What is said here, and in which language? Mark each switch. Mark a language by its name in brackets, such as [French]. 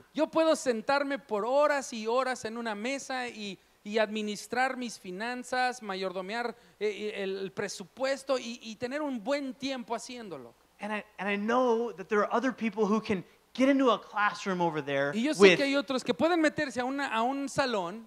[Spanish] Yo puedo sentarme por horas y horas en una mesa y administrar mis finanzas, mayordomear el presupuesto y tener un buen tiempo haciéndolo. [English] And I know that there are other people who can get into a classroom over there. [Spanish] Y yo sé que hay otros que pueden meterse a un salón.